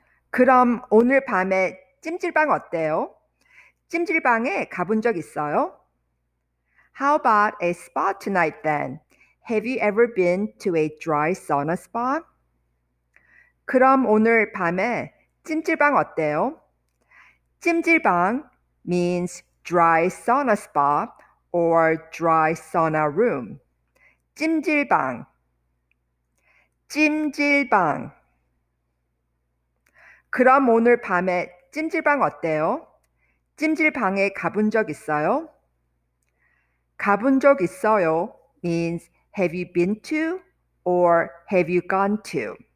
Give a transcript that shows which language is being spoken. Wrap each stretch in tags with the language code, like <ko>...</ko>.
<ko>그럼 오늘 밤에 찜질방 어때요? 찜질방에 가본 적 있어요?</ko> <en>How about a spa tonight then? Have you ever been to a dry sauna spa?</en> <ko>그럼 오늘 밤에 찜질방 어때요?</ko> <en>찜질방 means dry sauna spa or dry sauna room. 찜질방.</en> <ko>찜질방. 그럼 오늘 밤에 찜질방 어때요? 찜질방에 가본 적 있어요? 가본 적 있어요</ko> <en>means have you been to or have you gone to?</en>